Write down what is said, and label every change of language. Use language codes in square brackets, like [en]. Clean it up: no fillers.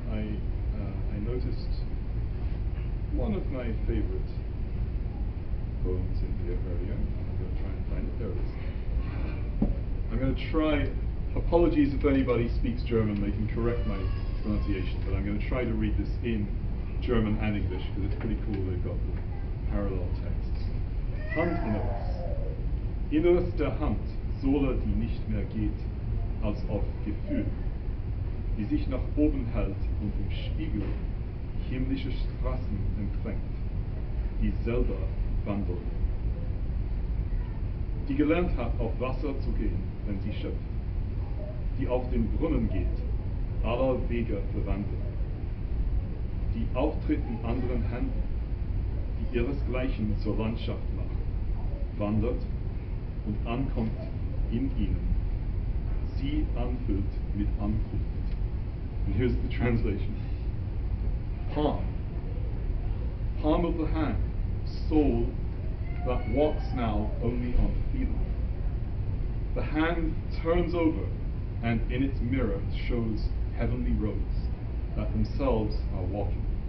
[en] I noticed one of my favorite poems in here earlier. I'm going to try and find it. There it is. I'm going to try, apologies if anybody speaks German, they can correct my pronunciation, but I'm going to try to read this in German and English, because it's pretty cool they've got the parallel texts. [de] Hand in uns. Innerste Hand, Sohle, die nicht mehr geht, als auf Gefühl, die sich nach oben hält und im Spiegel himmlische Straßen empfängt, die selber wandeln. Die gelernt hat, auf Wasser zu gehen, wenn sie schöpft, die auf den Brunnen geht, aller Wege verwandeln, die auftritt in anderen Händen, die ihresgleichen zur Landschaft macht, wandert und ankommt in ihnen, sie anfüllt mit Ankunft. [en] And here's the translation. Palm of the hand, soul that walks now only on feeling. The hand turns over and in its mirror shows heavenly roads that themselves are walking.